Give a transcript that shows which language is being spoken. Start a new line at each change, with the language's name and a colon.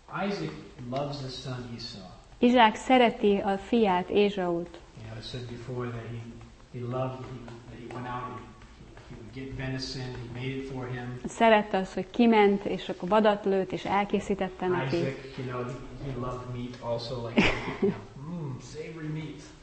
English: Isaac loves his son Esau.
Hungarian: Izsák szereti a fiát, Ézsaut.
English: Yeah, I said before that he loved that he went out and he would get venison, he made it for him.
Hungarian: Szerette azt, hogy kiment és akkor vadat lőtt és elkészítette neki.
English: Isaac, you know, he loved meat also, like, you know, savory meat.